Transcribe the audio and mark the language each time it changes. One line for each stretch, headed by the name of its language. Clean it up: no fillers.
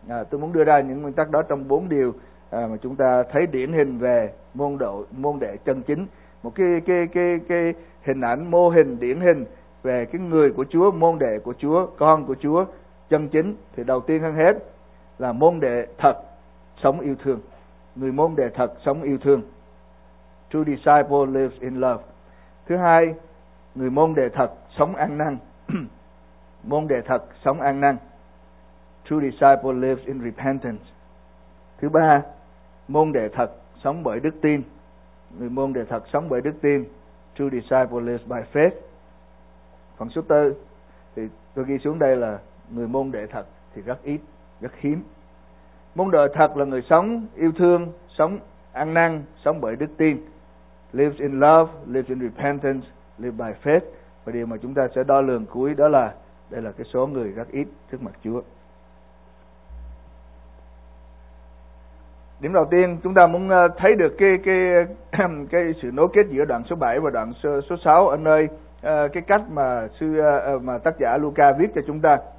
Vietnamese: Tôi muốn đưa ra những nguyên tắc đó trong 4 điều mà chúng ta thấy điển hình về môn đệ chân chính, một cái hình ảnh mô hình điển hình về cái người của Chúa, môn đệ của Chúa, con của Chúa chân chính. Thì đầu tiên hơn hết là môn đệ thật sống yêu thương, người môn đệ thật sống yêu thương.
English: True disciple lives in love.
Vietnamese: Thứ hai, người môn đệ thật sống ăn năn. Môn đệ thật sống ăn năn.
English: True disciple lives in repentance.
Vietnamese: Thứ ba, môn đệ thật sống bởi đức tin. Người môn đệ thật sống bởi đức tin.
English: True disciple lives by faith.
Vietnamese: Phần số tư, thì tôi ghi xuống đây là người môn đệ thật thì rất ít, rất hiếm. Môn đệ thật là người sống yêu thương, sống ăn năn, sống bởi đức tin.
English: Lives in love, lives in repentance, lives by faith.
Vietnamese: Và điều mà chúng ta sẽ đo lường cuối đó là đây là cái số người rất ít trước mặt Chúa. Điểm đầu tiên chúng ta muốn thấy được cái sự nối kết giữa đoạn số 7 và đoạn số 6 ở nơi cái cách mà tác giả Luca viết cho chúng ta.